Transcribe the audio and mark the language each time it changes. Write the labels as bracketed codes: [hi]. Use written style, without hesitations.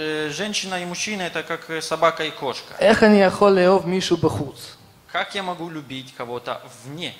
[ru] Женщина и мужчина это как собака и кошка. [he] איך אני יכול לאהוב מישהו בחוץ? [ru] Как я могу любить кого-то вне?